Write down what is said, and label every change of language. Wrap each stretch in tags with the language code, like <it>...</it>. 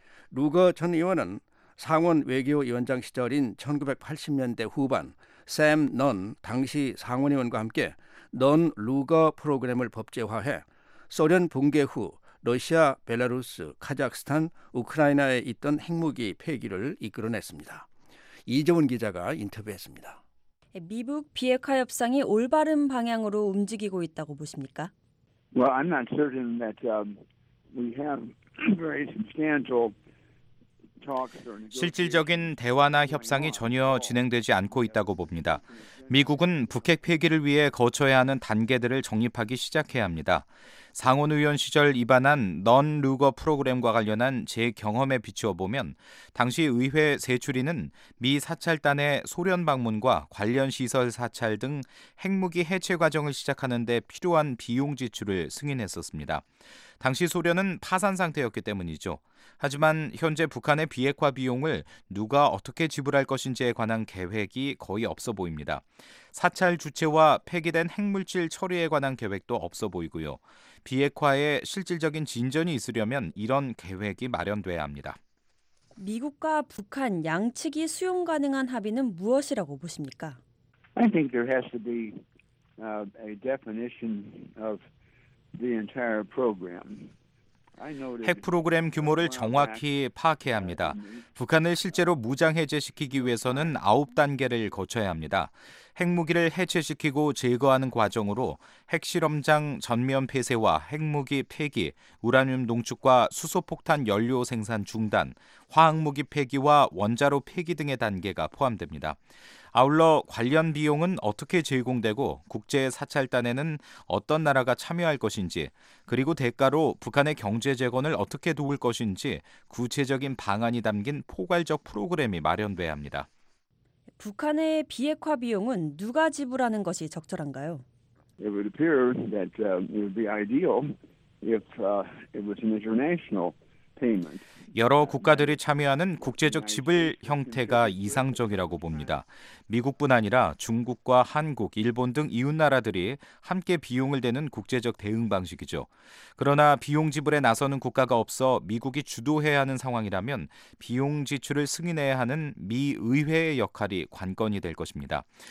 <ko>루거 전 의원은 상원 외교위원장 시절인 1980년대 후반 샘 넌 당시 상원의원과 함께 넌 루거 프로그램을 법제화해 소련 붕괴 후 러시아, 벨라루스, 카자흐스탄, 우크라이나에 있던 핵무기 폐기를 이끌어냈습니다. 이정훈 기자가 인터뷰했습니다. 미국 비핵화 협상이 올바른 방향으로 움직이고 있다고 보십니까?</ko> <en>Well, I'm not certain that we have very substantial</en> <ko>실질적인 대화나 협상이 전혀 진행되지 않고 있다고 봅니다. 미국은 북핵 폐기를 위해 거쳐야 하는 단계들을 정립하기 시작해야 합니다. 상원의원 시절 입안한 넌 루거 프로그램과 관련한 제 경험에 비추어 보면 당시 의회 세출위는 미 사찰단의 소련 방문과 관련 시설 사찰 등 핵무기 해체 과정을 시작하는 데 필요한 비용 지출을 승인했었습니다. 당시 소련은 파산 상태였기 때문이죠. 하지만 현재 북한의 비핵화 비용을 누가 어떻게 지불할 것인지에 관한 계획이 거의 없어 보입니다. 사찰 주체와 폐기된 핵물질 처리에 관한 계획도 없어 보이고요. 비핵화에 실질적인 진전이 있으려면 이런 계획이 마련돼야 합니다. 미국과 북한 양측이 수용 가능한 합의는 무엇이라고 보십니까?</ko> <en>I think there has to be a definition of the entire program.</en> <ko>핵 프로그램 규모를 정확히 파악해야 합니다. 북한을 실제로 무장해제시키기 위해서는 9단계를 거쳐야 합니다. 핵무기를 해체시키고 제거하는 과정으로 핵실험장 전면 폐쇄와 핵무기 폐기, 우라늄 농축과 수소폭탄 연료 생산 중단, 화학무기 폐기와 원자로 폐기 등의 단계가 포함됩니다. 아울러 관련 비용은 어떻게 제공되고 국제 사찰단에는 어떤 나라가 참여할 것인지 그리고 대가로 북한의 경제 재건을 어떻게 도울 것인지 구체적인 방안이 담긴 포괄적 프로그램이 마련돼야 합니다. 북한의 비핵화 비용은 누가 지불하는 것이 적절한가요?</ko> <en>It would appear that it would be ideal if it was an international payment.</en> <ko>여러 국가들이 참여하는 국제적 지불 형태가 이상적이라고 봅니다. 미국뿐 아니라 중국과 한국, 일본 등 이웃나라들이 함께 비용을 대는 국제적 대응 방식이죠. 그러나 비용 지불에 나서는 국가가 없어 미국이 주도해야 하는 상황이라면 비용 지출을 승인해야 하는 미 의회의 역할이 관건이 될 것입니다.</ko>